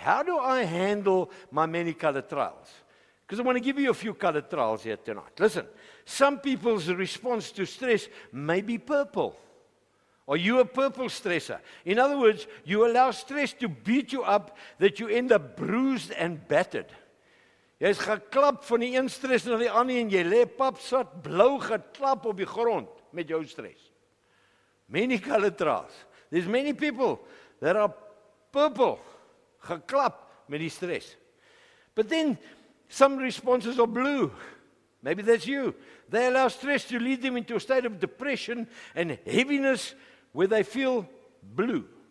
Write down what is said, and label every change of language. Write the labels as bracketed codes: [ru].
[en] How do I handle my many colored trials? Because I want to give you a few colored trials here tonight. Listen, some people's response to stress may be purple. Are you a purple stressor? In other words, you allow stress to beat you up that you end up bruised and battered. [af] Jy is geklap van die een stress na die ander en jy lê papsat blou geklap op die grond met jou stress. [en] Many colored trials. There's many people that are purple, [af] geklap met die stress. [en] But then some responses are blue. Maybe that's you. They allow stress to lead them into a state of depression and heaviness where they feel blue.